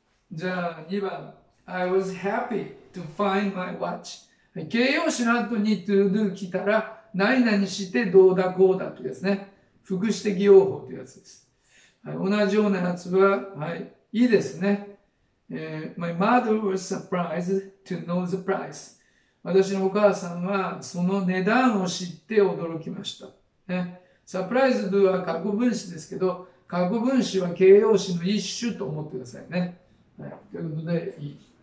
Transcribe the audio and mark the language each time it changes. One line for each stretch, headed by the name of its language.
Japanese: じゃあ、二番。
English: I was happy to find my watch.
Japanese: 形容詞の後に to do 来たら、何々してどうだこうだというやつね。副詞的用法というやつです。はい、同じようなやつは、はい、いいですね。
English: My mother was surprised to know the price.
Japanese: 私のお母さんはその値段を知って驚きました。ね、surprised は過去分詞ですけど、過去分詞は形容詞の一種と思ってくださいね。はい、ということで、いい。